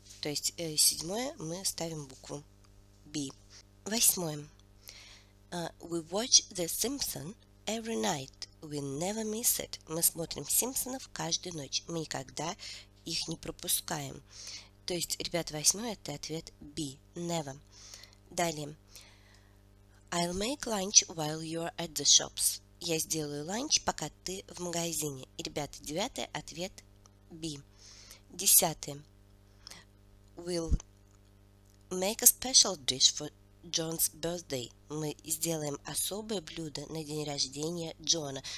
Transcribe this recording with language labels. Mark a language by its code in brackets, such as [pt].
[ru] То есть 7 мы ставим букву B. [en] 8. We watch The Simpsons every night. We never miss it. [ru] Мы смотрим Симпсонов каждую ночь. Мы никогда их не пропускаем. То есть, ребята, 8 это ответ B. [en] Never. [ru] Далее. [en] I'll make lunch while you're at the shops. [ru] Я сделаю ланч, пока ты в магазине. И, ребята, 9 ответ B. 10. [en] We'll make a special dish for John's birthday. [ru] Мы сделаем особое блюдо на день рождения Джона.